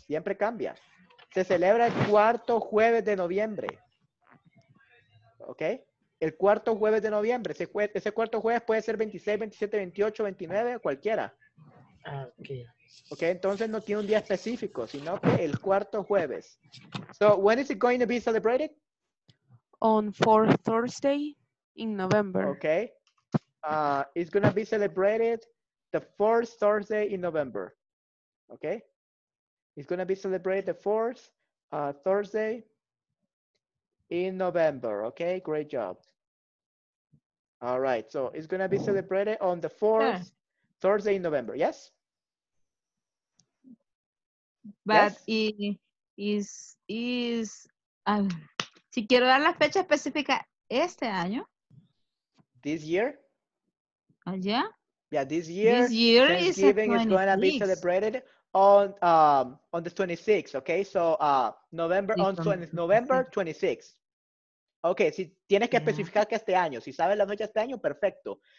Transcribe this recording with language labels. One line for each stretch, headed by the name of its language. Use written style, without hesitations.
Spanish: Siempre cambia. Se celebra el cuarto jueves de noviembre. ¿Ok? El cuarto jueves de noviembre. Ese cuarto jueves puede ser 26, 27, 28, 29, cualquiera. Ah, ok. Ok, entonces no tiene un día específico, sino que el cuarto jueves.
English: So, when is it going to be celebrated? On fourth Thursday in November. Ok. It's going to be celebrated the fourth Thursday in November. Ok. It's going to be celebrated the fourth Thursday in November. Okay, great job. All right, so it's gonna be celebrated on the fourth Thursday in November. Yes, but yes?
Spanish: Is si quiero dar la fecha específica este año,
English: this year, yeah, this year Thanksgiving is gonna be celebrated on the 26th. Okay, so November 26th.
Spanish: Ok, si tienes que especificar que este año, si sabes la fecha de este año, perfecto.